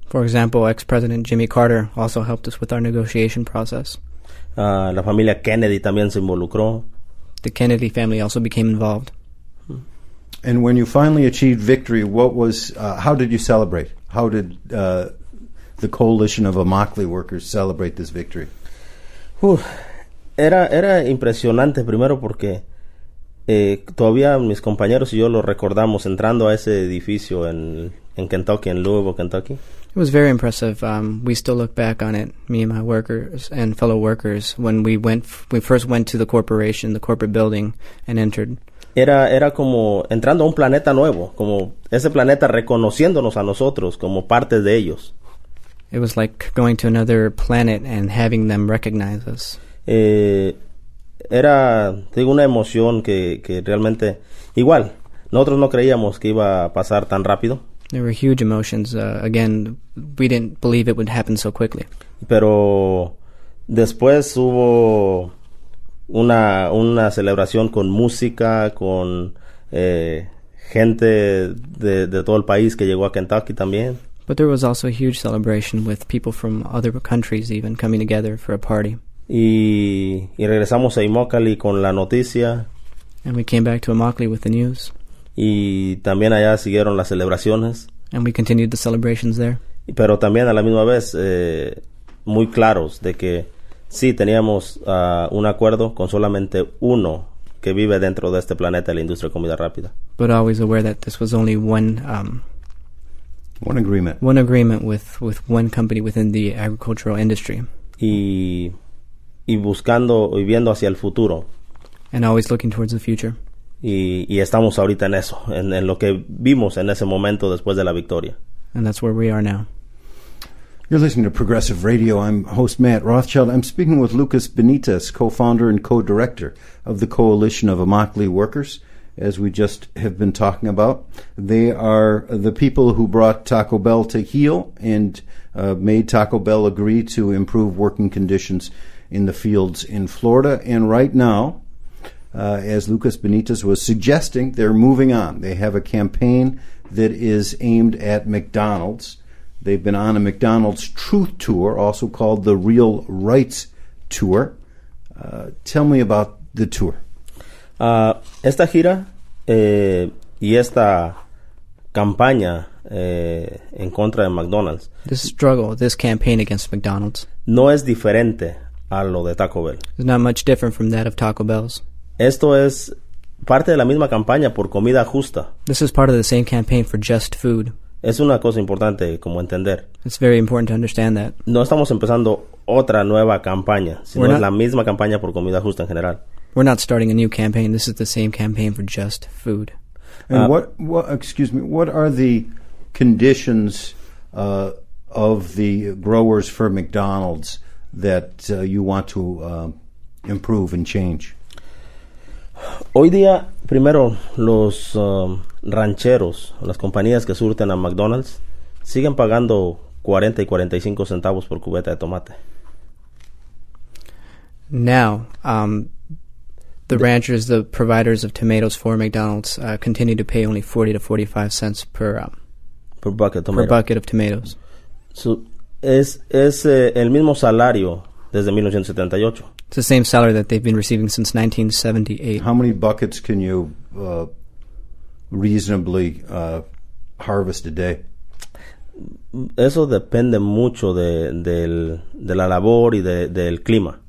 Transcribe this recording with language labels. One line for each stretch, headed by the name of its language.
English: For example, ex-president Jimmy Carter also helped us with our negotiation process.
Spanish: La familia Kennedy también se involucró.
English: The Kennedy family also became involved. And when you finally achieved victory, what was how did you celebrate? How did the coalition of Immokalee workers celebrate this victory?
Spanish: Era impresionante, primero porque todavía mis compañeros y yo lo recordamos entrando a ese edificio en Kentucky, en Louisville, Kentucky.
English: It was very impressive. We still look back on it, me and my workers and fellow workers, when we first went to the corporation, the corporate building, and entered.
Spanish: Era como entrando a un planeta nuevo, como ese planeta reconociéndonos a nosotros como parte de ellos.
English: It was like going to another planet and having them recognize us.
Spanish: Era, digo, una emoción que realmente, igual, nosotros no creíamos que iba a pasar tan rápido.
English: There were huge emotions. Again, we didn't believe it would happen so quickly.
Spanish: Pero después hubo una celebración con música, con gente de todo el país que llegó a Kentucky también.
English: But there was also a huge celebration with people from other countries even coming together for a party.
Spanish: Y regresamos a Immokalee con la noticia.
English: And we came back to Immokalee with the news.
Spanish: Y también allá siguieron las celebraciones.
English: And we continued the celebrations there.
Spanish: Pero también a la misma vez muy claros de que sí teníamos un acuerdo con solamente uno que vive dentro de este planeta, la industria de comida rápida.
English: But always aware that this was only one agreement with one company within the agricultural industry.
Spanish: Y buscando y viendo hacia el futuro.
English: And always looking towards the future.
Spanish: Y estamos ahorita en eso, en lo que vimos en ese momento después de la victoria.
English: And that's where we are now. You're listening to Progressive Radio. I'm host Matt Rothschild. I'm speaking with Lucas Benitez, co-founder and co-director of the Coalition of Immokalee Workers, as we just have been talking about. They are the people who brought Taco Bell to heel and made Taco Bell agree to improve working conditions in the fields in Florida. And right now, as Lucas Benitez was suggesting, they're moving on. They have a campaign that is aimed at McDonald's. They've been on a McDonald's Truth Tour, also called the Real Rights Tour. Tell me about the tour.
Spanish: Esta gira y esta campaña en contra de McDonald's.
English: This struggle, this campaign against McDonald's.
Spanish: No es diferente a lo de Taco Bell.
English: It's not much different from that of Taco Bell's.
Spanish: Esto es parte de la misma campaña por comida justa.
English: This is part of the same campaign for just food.
Spanish: Es una cosa importante como entender.
English: It's very important to understand that.
Spanish: No estamos empezando otra nueva campaña, sino es la misma campaña por comida justa en general.
English: We're not starting a new campaign. This is the same campaign for just food. And what are the conditions of the growers for McDonald's that you want to improve and change?
Spanish: Hoy día, primero, los rancheros, las compañías que surten a McDonald's, siguen pagando 40 y 45 centavos por cubeta de tomate.
English: Now, the ranchers, the providers of tomatoes for McDonald's, continue to pay only 40 to 45 cents per bucket of tomatoes.
Spanish: So, es el mismo salario desde 1978.
English: It's the same salary that they've been receiving since 1978. How many buckets can you reasonably harvest a day?
Spanish: Eso depende mucho de la labor y del clima.